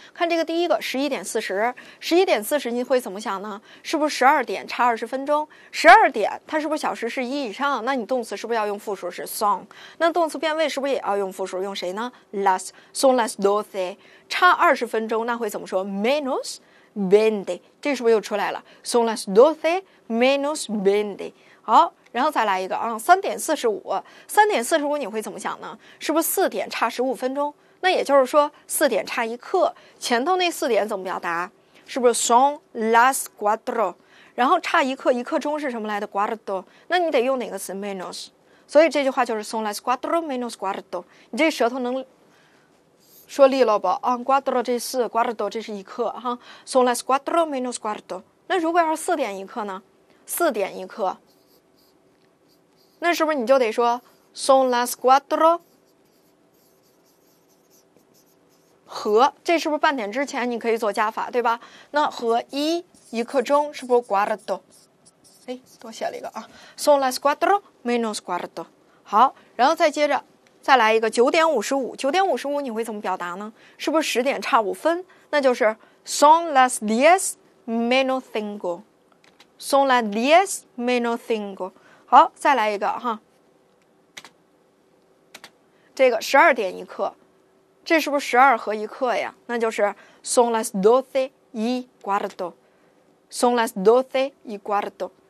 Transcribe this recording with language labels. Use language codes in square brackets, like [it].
[zh] 看这个第一个11点40 ,11 点40你会怎么想呢，是不是12点差20分钟 ,12 点它是不是小时是一以上，那你动词是不是要用复数是 soon， 那动词变位是不是也要用复数，用谁呢 ?las, son las doce, 差20分钟那会怎么说 ,minus,20，这是不是又出来了 ？ [es] Son las doce menos 20。 [zh] 好，然后再来一个啊，3点45你会怎么想呢？是不是4点差15分钟？那也就是说4点差一刻，前头那4点怎么表达？是不是 [es] son las cuatro？ [zh] 然后差一刻，一刻钟是什么来的 ？Cuarto。那你得用哪个词 menos？所以这句话就是 [es] son las cuatro menos cuarto。 [zh] 你这舌头能？说利了吧啊 ,cuatro 这四 ,cuarto 这是一刻哈 , [es] son las cuatro menos cuarto。 [zh] 那如果要是四点一刻呢，四点一刻。那是不是你就得说 , [es] son las cuatro, [zh] 和这是不是半点之前你可以做加法对吧，那和一刻钟是不是 cuarto。哎多写了一个啊 , [es] son las cuatro menos cuarto。 [zh] 好，然后再接着。再来一个9点55你会怎么表达呢，是不是十点差五分，那就是 [es] son las diez menos cinco， [zh] son las diez menos cinco。好，再来一个哈，这个十二点一刻，这是不是十二和一刻呀，那就是 [es] son las doce y cuarto， [zh] son las doce y cuarto。